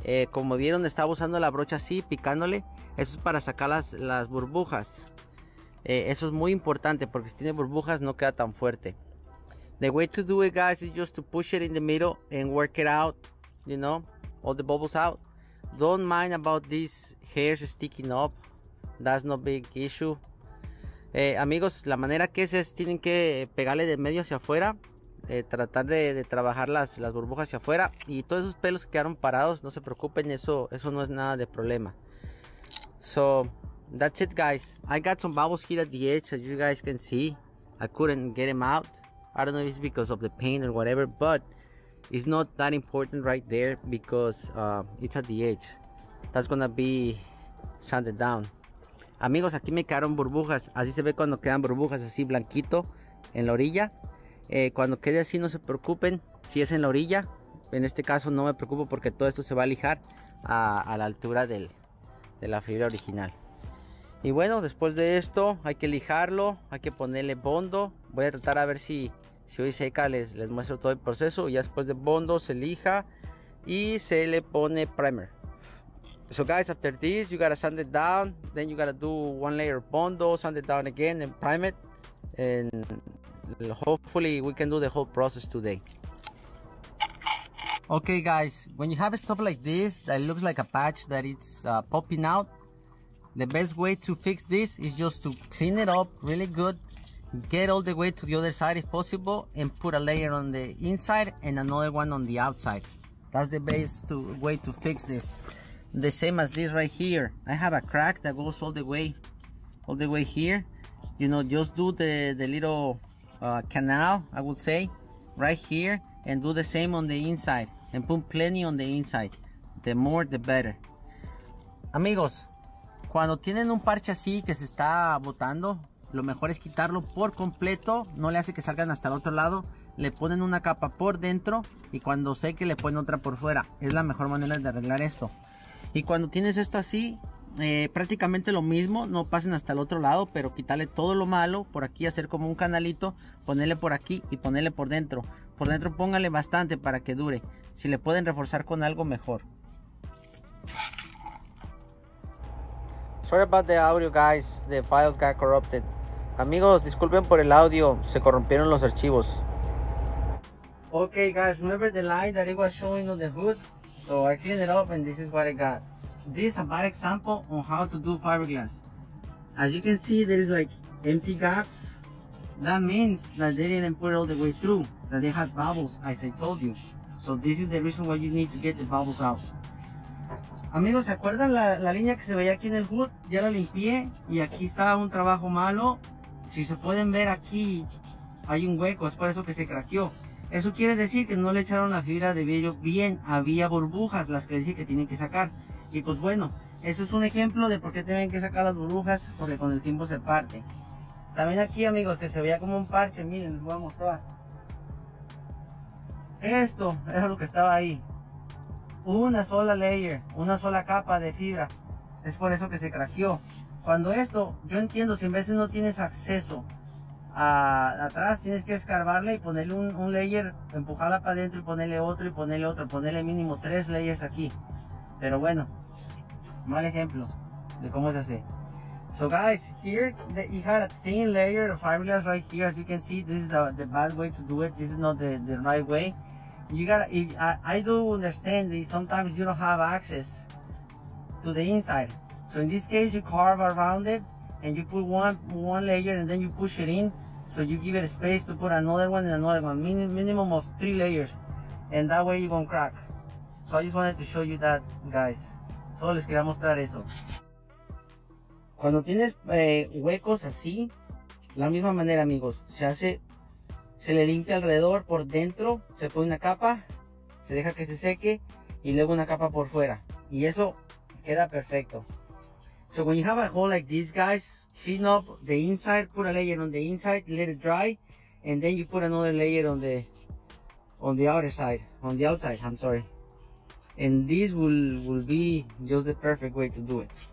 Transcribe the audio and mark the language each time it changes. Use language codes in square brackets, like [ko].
[es] Como vieron, estaba usando la brocha así, picándole. Eso es para sacar las burbujas. Eso es muy importante porque si tiene burbujas no queda tan fuerte. [en] The way to do it, guys, is just to push it in the middle and work it out, you know, all the bubbles out. Don't mind about these hairs sticking up. That's no big issue. [es] Amigos, la manera que es tienen que pegarle de medio hacia afuera, tratar de trabajar las burbujas hacia afuera. Y todos esos pelos que quedaron parados, no se preocupen, eso no es nada de problema. [en] So, that's it, guys. I got some bubbles here at the edge, as you guys can see. I couldn't get them out. I don't know if it's because of the paint or whatever, but it's not that important right there because it's at the edge. That's gonna be sanded down. [es] Amigos, aquí me quedaron burbujas. Así se ve cuando quedan burbujas, así blanquito en la orilla. Cuando quede así, no se preocupen. Si es en la orilla, en este caso no me preocupo porque todo esto se va a lijar a la altura de la fibra original. Y bueno, después de esto hay que lijarlo, hay que ponerle bondo. Voy a tratar a ver si hoy seca les muestro todo el proceso. Ya después de bondo se lija y se le pone primer. [en] So guys, after this you gotta sand it down, then you gotta do one layer of bondo, sand it down again and prime it, and hopefully we can do the whole process today. Okay guys, when you have stuff like this that looks like a patch that it's popping out, the best way to fix this is just to clean it up really good, get all the way to the other side if possible, and put a layer on the inside and another one on the outside. That's the best way to fix this. The same as this right here. I have a crack that goes all the way here. You know, just do the little canal, I would say, right here, and do the same on the inside, and put plenty on the inside. The more, the better. [es] Amigos, cuando tienen un parche así que se está botando, lo mejor es quitarlo por completo, no le hace que salgan hasta el otro lado. Le ponen una capa por dentro y cuando seque le ponen otra por fuera. Es la mejor manera de arreglar esto. Y cuando tienes esto así, prácticamente lo mismo, no pasen hasta el otro lado, pero quitarle todo lo malo, por aquí hacer como un canalito, ponerle por aquí y ponerle por dentro. Por dentro póngale bastante para que dure, si le pueden reforzar con algo mejor. [en] Sorry about the audio, guys. The files got corrupted. [es] Amigos, disculpen por el audio. Se corrompieron los archivos. [en] Okay, guys. Remember the light that it was showing on the hood? So I cleaned it up, and this is what I got. This is a bad example on how to do fiberglass. As you can see, there is like empty gaps. That means that they didn't put it all the way through. That they had bubbles, as I told you. So this is the reason why you need to get the bubbles out. [es] Amigos, ¿se acuerdan la línea que se veía aquí en el hood? Ya la limpié y aquí está un trabajo malo. Si se pueden ver aquí, hay un hueco, es por eso que se craqueó. Eso quiere decir que no le echaron la fibra de vidrio bien. Había burbujas, las que dije que tienen que sacar. Y pues bueno, eso es un ejemplo de por qué tienen que sacar las burbujas, porque con el tiempo se parte. También aquí, amigos, que se veía como un parche, miren, les voy a mostrar. Esto era lo que estaba ahí. Una sola layer, una sola capa de fibra, es por eso que se craqueó. Cuando esto, yo entiendo, si a veces no tienes acceso a atrás, tienes que escarbarle y ponerle un layer, empujarla para adentro y ponerle otro, ponerle mínimo tres layers aquí. Pero bueno, mal ejemplo de cómo se hace. [en] So guys, here you had a thin layer of fiberglass right here, as you can see, this is the bad way to do it, this is not the right way. You gotta, I do understand that sometimes you don't have access to the inside. So in this case, you carve around it and you put one layer and then you push it in. So you give it space to put another one and another one, minimum of three layers. And that way you won't crack. So I just wanted to show you that, guys. [es] Solo les quería mostrar eso. Cuando tienes huecos así, la misma manera, amigos, se hace. Se le limpia alrededor, por dentro, se pone una capa, se deja que se seque y luego una capa por fuera. Y eso queda perfecto. [en] So when you have a hole like this, guys, clean up the inside, put a layer on the inside, let it dry, and then you put another layer on the On the other side, on the outside, I'm sorry. And this will be just the perfect way to do it.